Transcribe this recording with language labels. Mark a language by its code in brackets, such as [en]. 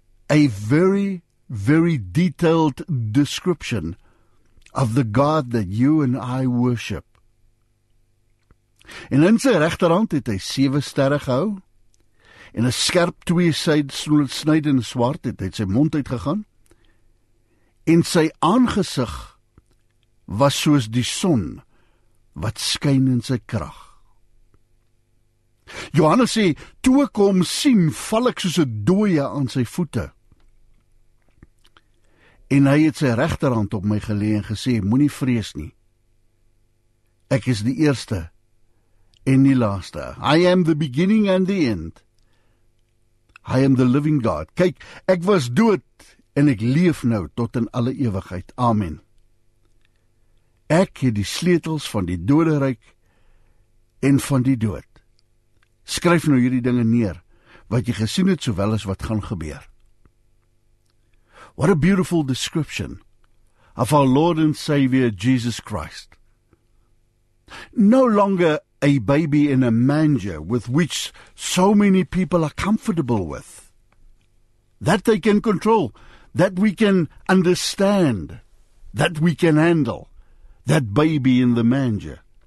[en] A very, very detailed description of the God that you and I worship. [af] En in sy regterhand het hy 7 sterre gehou, en 'n skerp 2-sydige swaard het uit sy mond uitgegaan, en sy aangesig was soos die son wat skyn in sy krag. Johannes sê, toe ek hom sien, val ek soos 'n dooie aan sy voete. En hy het sy regterhand op my gelê en gesê, moenie vrees nie. Ek is die eerste en die laaste. [en] I am the beginning and the end. I am the living God. [af] Kyk, ek was dood en ek leef nou tot in alle ewigheid. Amen. Ek het die sleutels van die doderyk en van die dood. Skryf nou hierdie dinge neer, wat jy gesien het, sowel as wat gaan gebeur. [en] What a beautiful description of our Lord and Savior Jesus Christ. No longer a baby in a manger with which so many people are comfortable with. That they can control, that we can understand, that we can handle, that baby in the manger.